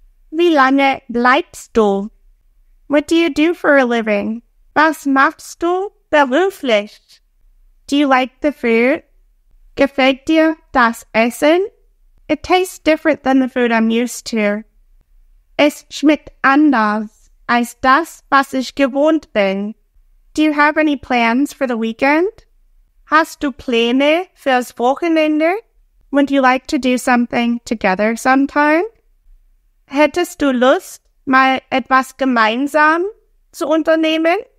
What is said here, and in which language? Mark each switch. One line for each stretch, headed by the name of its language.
German: Wie lange bleibst du?
English: What do you do for a living?
German: Was machst du beruflich?
English: Do you like the food?
German: Gefällt dir das Essen?
English: It tastes different than the food I'm used to.
German: Es schmeckt anders als das, was ich gewohnt bin.
English: Do you have any plans for the weekend?
German: Hast du Pläne fürs Wochenende?
English: Would you like to do something together sometime?
German: Hättest du Lust, mal etwas gemeinsam zu unternehmen?